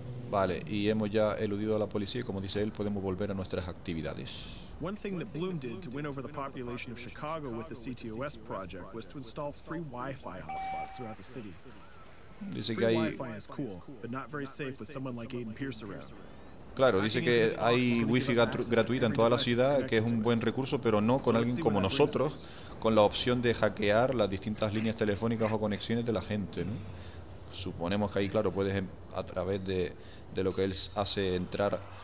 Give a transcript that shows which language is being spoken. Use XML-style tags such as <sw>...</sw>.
<es>Vale, y hemos ya eludido a la policía y, como dice él, podemos volver a nuestras actividades.</es> <en>One thing that Bloom did to win over the population of Chicago with the CTOS project was to install free Wi-Fi hotspots throughout the city.</en> <es>Dice que hay...</es> <en>Wi-Fi is cool, but not very safe with someone like Aiden Pierce around.</en> <es>Claro, dice que hay Wi-Fi gratuita en toda la ciudad, que es un buen recurso, pero no con alguien como nosotros, con la opción de hackear las distintas líneas telefónicas o conexiones de la gente, ¿no? Suponemos que ahí, claro, puedes, a través de lo que él hace, entrar</es>